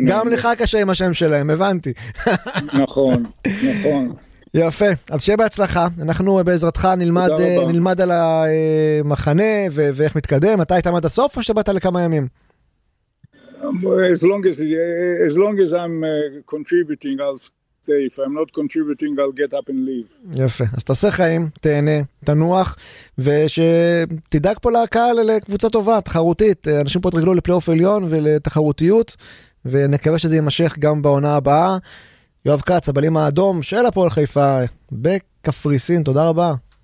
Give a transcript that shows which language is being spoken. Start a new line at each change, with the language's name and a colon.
Hebrew: גם לך קשה עם השם שלהם, הבנתי. נכון. יפה, אז שיהיה בהצלחה. אנחנו בעזרתך נלמד על המחנה ואיך מתקדם. אתה היית עד הסוף או שבאת לכמה ימים?
English: As long as I'm contributing, I'll stay. If I'm not contributing, I'll get up and leave.
Hebrew: יפה, אז תעשה חיים, תהנה, תנוח, ושתדאג פה להקהל לקבוצה טובה, תחרותית. אנשים פה תרגלו לפלייאוף עליון ולתחרותיות, ונקווה שזה יימשך גם בעונה הבאה. יואב כץ, הבעלים האדום של הפועל חיפה, בקפריסין, תודה רבה.